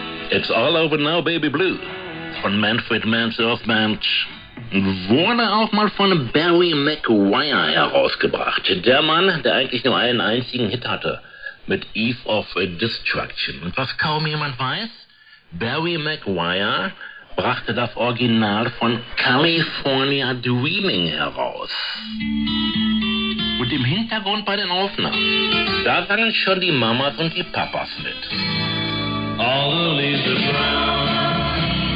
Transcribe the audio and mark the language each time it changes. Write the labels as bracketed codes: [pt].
[en] It's All Over Now, Baby Blue. [de] Von Manfred Mann's Earth Band. Wurde auch mal von Barry McGuire herausgebracht. Der Mann, der eigentlich nur einen einzigen Hit hatte. Mit Eve of Destruction. Und was kaum jemand weiß, Barry McGuire brachte das Original von California Dreaming heraus. Und im Hintergrund bei den Aufnahmen, da sangen schon die Mamas und die Papas mit. [en] All the leaves are brown.